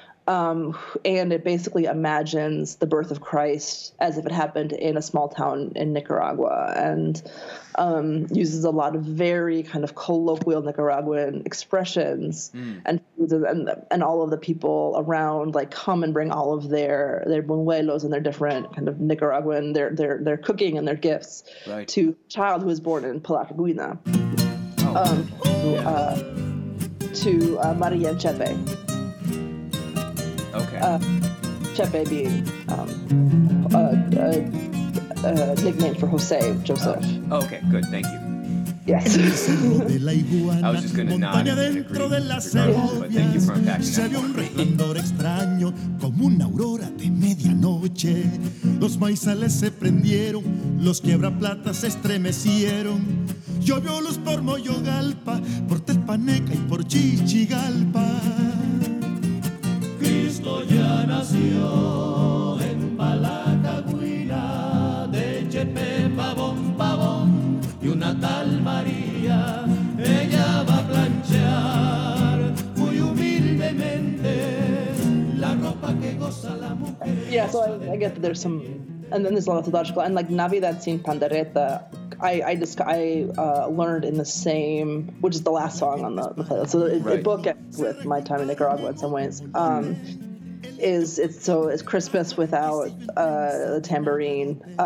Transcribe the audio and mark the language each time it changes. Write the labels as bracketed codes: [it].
[en] And it basically imagines the birth of Christ as if it happened in a small town in Nicaragua, and uses a lot of very kind of colloquial Nicaraguan expressions and all of the people around, like, come and bring all of their buñuelos and their different kind of Nicaraguan, their cooking and their gifts to a child who was born in Palacagüina, to Maria and Chepe. Chepe being a nickname for Jose, Joseph. Okay, good, thank you. Yes. I was just going to nod and agree with regards, but thank you for unpacking that. [es] Se vio un resplandor extraño como una aurora de medianoche. Los maizales se prendieron, los quiebraplatas se estremecieron. Llovió luz por Moyogalpa, por Tepaneca y por Chichigalpa. Cristo ya nació en Palacagüina de Chepe, pavón, pavón, y una tal María, ella va a planchar muy humildemente la ropa que goza la mujer. [en] Yeah, so I get that there's some, and then there's a lot of theological, and like Navidad sin Pandereta, I learned in the same, which is the last song on the playlist. So it bookends with my time in Nicaragua in some ways. It's Christmas without the tambourine.